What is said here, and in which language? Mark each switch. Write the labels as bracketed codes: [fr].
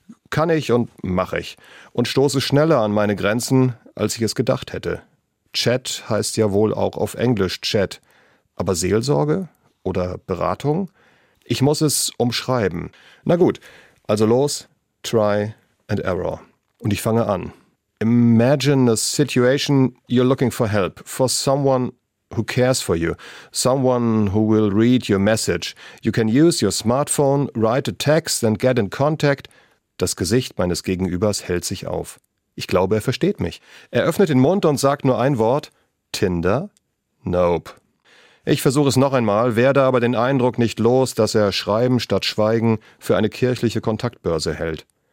[de] Kann ich und mache ich. Und stoße schneller an meine Grenzen, als ich es gedacht hätte. Chat heißt ja wohl auch auf Englisch Chat. Aber Seelsorge? Oder Beratung? Ich muss es umschreiben. Na gut, also los. [en] Try and error. [de] Und ich fange an. [en] Imagine a situation you're looking for help. For someone who cares for you. Someone who will read your message. You can use your smartphone, write a text and get in contact. [de] Das Gesicht meines Gegenübers hält sich auf. Ich glaube, er versteht mich. Er öffnet den Mund und sagt nur ein Wort. Tinder? Nope. Ich versuche es noch einmal, werde aber den Eindruck nicht los, dass er Schreiben statt Schweigen für eine kirchliche Kontaktbörse hält.